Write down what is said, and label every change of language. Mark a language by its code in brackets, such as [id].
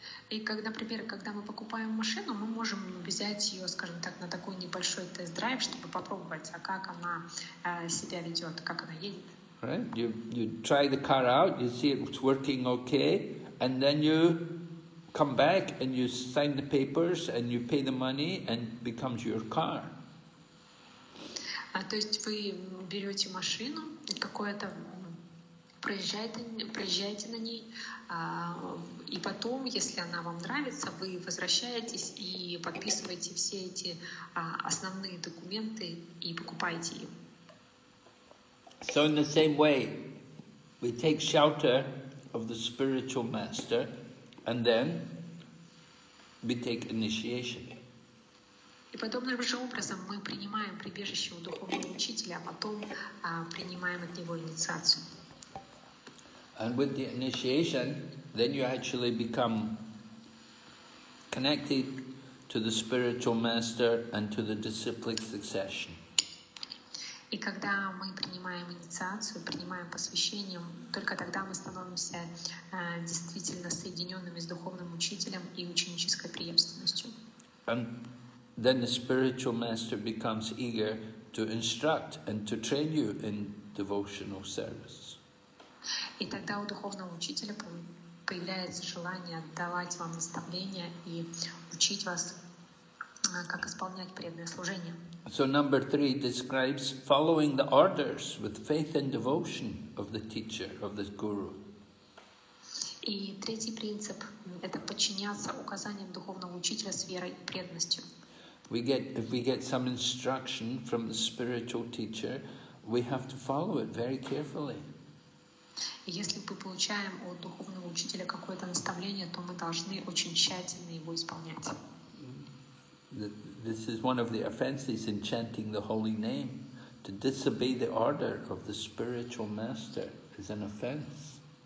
[ru] И, как, например, когда мы покупаем машину, мы можем взять ее, скажем так, на такой небольшой тест-драйв, чтобы попробовать, а как она себя ведет, как она едет. [en] Right. You try the car out, you see it's working okay, and then you come back and you sign the papers and you pay the money and becomes your car. [ru] То есть вы берете машину, какое-то проезжаете на ней. И потом, если она вам нравится, вы возвращаетесь и подписываете все эти основные документы и покупаете ее. [en] So in the same way, we take shelter of the spiritual master, and then we take initiation. [ru] И подобным же образом мы принимаем прибежище у духовного учителя, а потом принимаем от него инициацию. [en] And with the initiation, then you actually become connected to the spiritual master and to the disciplic succession. [ru] И когда мы принимаем инициацию, принимаем посвящение, только тогда мы становимся действительно соединенными с духовным учителем и ученической преемственностью. [en] And then the spiritual master becomes eager to instruct and to train you in devotional service. [ru] И тогда у духовного учителя появляется желание давать вам наставления и учить вас, как исполнять преданное служение. [en] So number three describes following the orders with faith and devotion of the teacher, of the guru. [ru] И третий принцип – это подчиняться указаниям духовного учителя с верой и преданностью. [en] If we get some instruction from the spiritual teacher, we have to follow it very carefully. [ru] Если мы получаем от духовного учителя какое-то наставление, то мы должны очень тщательно его исполнять. [en] This is one of the offenses in chanting the holy name. To disobey the order of the spiritual master is an offense.